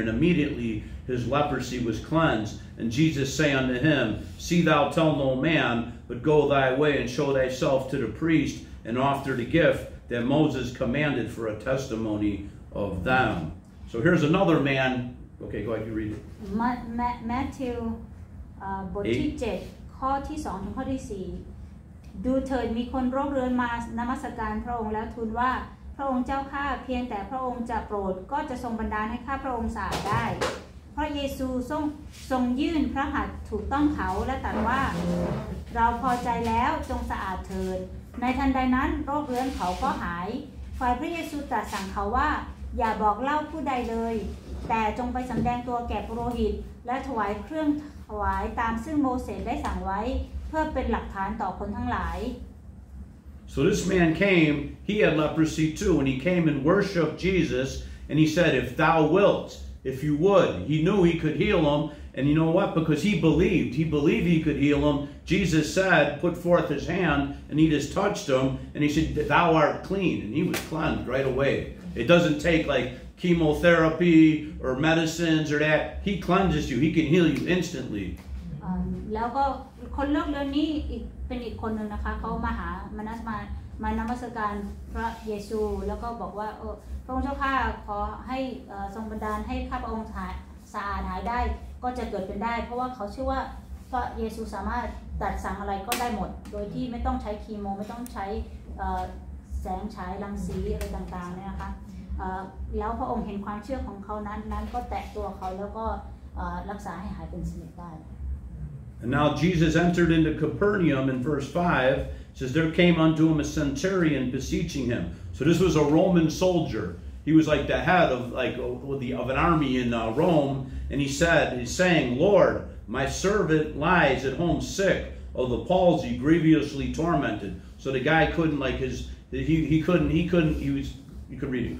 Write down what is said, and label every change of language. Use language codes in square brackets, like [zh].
[en] And immediately his leprosy was cleansed. And Jesus say unto him, See thou tell no man, but go thy way and show thyself to the priest and offer the gift that Moses commanded for a testimony of them. So here's another man. Okay, go ahead, you read it. [th] Matthew, bot ที่ 7. ข้อที่2ถึงข้อที่4ดูเถิดมีคนโรคเรื้อนมานมัสการพระองค์แล้วทูลว่าพระองค์เจ้าข้าเพียงแต่พระองค์จะโปรดก็จะทรงบันดาลให้ข้าพระองค์สะอาดได้พระเยซูทรงยื่นพระหัตถ์ถูกต้องเขาและตรัสว่า เราพอใจแล้วจงสะอาดเถิดในทันใดนั้นโรคเรื้อนเขาก็หายฝ่ายพระเยซูตรัสสั่งเขาว่าอย่าบอกเล่าผู้ใดเลยแต่จงไปสำแดงตัวแก่ปุโรหิตและถวายเครื่องถวายตามซึ่งโมเสสได้สั่งไว้เพื่อเป็นหลักฐานต่อคนทั้งหลาย [en] So this man came, he had leprosy too, and he came and worshiped Jesus, and he said, if thou wilt, if you would, he knew he could heal him, and you know what, because he believed he could heal him, Jesus said, put forth his hand, and he just touched him, and he said, thou art clean, and he was cleansed right away. It doesn't take like,chemotherapy or medicines or that he cleanses you he can heal you instantly [th] แล้วก็คนโรคเรื้อนนี้อีกเป็นอีกคนนึงนะคะเขามาหามานมามานมัสการพระเยซูแล้วก็บอกว่าพระองค์เจ้าข้าขอให้ทรงบันดาลให้ข้าพระองค์สะอาดหายได้ก็จะเกิดเป็นได้เพราะว่าเขาเชื่อว่าพระเยซูสามารถตัดสั่งอะไรก็ได้หมดโดยที่ไม่ต้องใช้เคมีไม่ต้องใช้แสงฉายรังสีอะไรต่างๆเนี่ยนะคะแล้วพระองค์เห็นความเชื่อของเขานั้นก็แตะตัวเขาแล้วก็รักษาให้หายเป็นสนิทได้ [en] And now Jesus entered into Capernaum in verse 5 says there came unto him a centurion beseeching him so this was a Roman soldier he was like the head of like of an army in Rome and he's saying Lord my servant lies at home sick of the palsy grievously tormented so the guy couldn't like his he couldn't he wasYou can read it.